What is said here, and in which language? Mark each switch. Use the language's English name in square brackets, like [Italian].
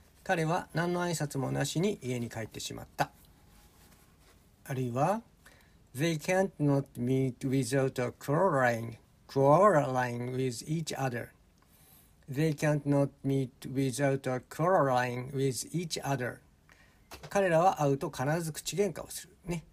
[Japanese] 彼は何の挨拶もなしに家に帰ってしまった。あるいは、 [English] They can't not meet without quarreling with each other. They can't not meet without quarreling with each other. [Japanese] 彼らは会うと必ず口喧嘩をする。